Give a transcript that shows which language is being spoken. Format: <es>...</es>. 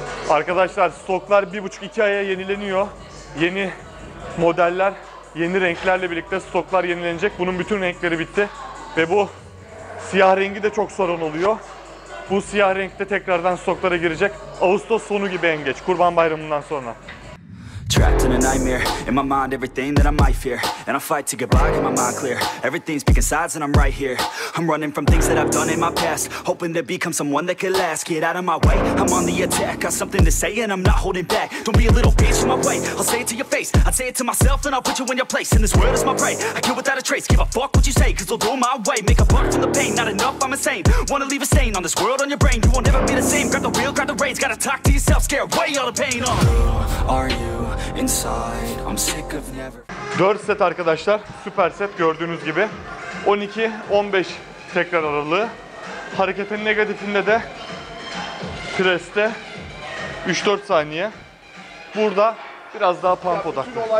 <tr>Arkadaşlar stoklar 1,5-2 aya yenileniyor. Yeni modeller, yeni renklerle birlikte stoklar yenilenecek. Bunun bütün renkleri bitti. Ve bu siyah rengi de çok sorun oluyor. Bu siyah renk de tekrardan stoklara girecek. Ağustos sonu gibi en geç. Kurban Bayramı'ndan sonra.</tr> <en>Trapped in a nightmare, in my mind everything that I might fear, and I fight to get by, get my mind clear. Everything's picking sides and I'm right here. I'm running from things that I've done in my past, hoping to become someone that could last. Get out of my way, I'm on the attack. Got something to say and I'm not holding back. Don't be a little bitch in my way, I'll say it to your face. I'd say it to myself and I'll put you in your place. In this world is my prey, I kill without a trace. Give a fuck what you say, cause they'll go my way. Make a buck from the pain, not enough, I'm insane. Wanna leave a stain on this world on your brain. You won't ever be the same, grab the wheel, grab the reins. Gotta talk to yourself, scare away all the pain. Who are you? Inside, I'm sick of never.</en> <tr>4 set arkadaşlar, süper set gördüğünüz gibi. 12-15 tekrar aralığı. Hareketin negatifinde de preste 3-4 saniye. Burada biraz daha pump odaklı.</tr>